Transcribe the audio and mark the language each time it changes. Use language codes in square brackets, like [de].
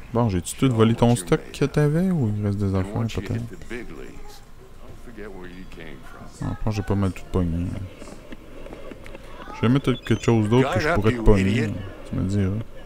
[fr] Bon, j'ai-tu tout volé ton stock que t'avais ou il reste des affaires peut-être? [en] The big leagues, don't forget where you came from. [fr] Non, je pense que j'ai pas mal tout pogné. J'ai jamais tout quelque chose d'autre que je pourrais te pogner. Tu me dis, hein?